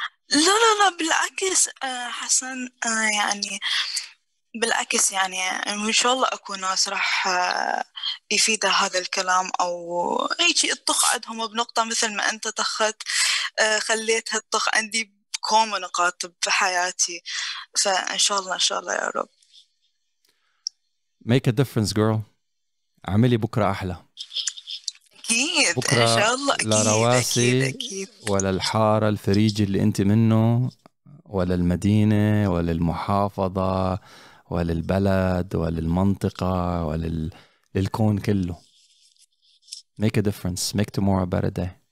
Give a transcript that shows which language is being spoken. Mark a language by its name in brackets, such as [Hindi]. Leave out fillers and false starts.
[Arabic] لا لا لا بالعكس حسن، يعني بالعكس يعني ان شاء الله اكون ناس راح يفيد هذا الكلام او اي شيء الطخ عندهم بنقطه مثل ما انت طخت خليت هالطخ عندي بكم نقاط بحياتي، فان شاء الله ان شاء الله يا رب. [English] Make a difference girl، [Arabic] اعملي بكره احلى. أكيد بكرة إن شاء الله. أكيد لرواسي أكيد ولا الحارة الفريجي اللي أنت منه ولا المدينة ولا المحافظة ولا البلد ولا المنطقة ولا الكون كله. [English] Make a difference، make tomorrow a better day.